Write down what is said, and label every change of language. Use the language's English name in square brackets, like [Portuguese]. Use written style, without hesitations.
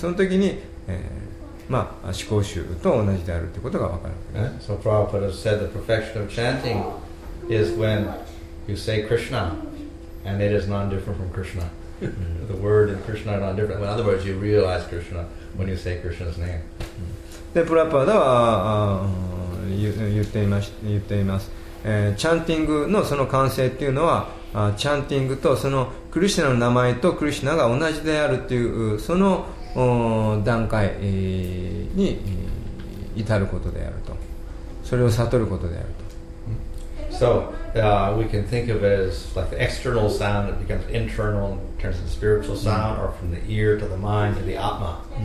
[Japanese] その時に、まあ、思考集と同じであるということが分かるわけです [English] So Prabhupada said the perfection of chanting is when you say Krishna and it is not different from Krishna. The word and Krishna are not different. In other words, you realize Krishna when you say Krishna's name. [Japanese] で、プラパダは言っています。チャンティングのその完成っていうのは、チャンティングとそのクリシナの名前とクリシナが同じであるっていう、その段階に至ることであると、それを悟ることであると。 [English] So we can think of it as like the external sound that becomes internal in terms of spiritual sound or from the ear to the mind to the atma.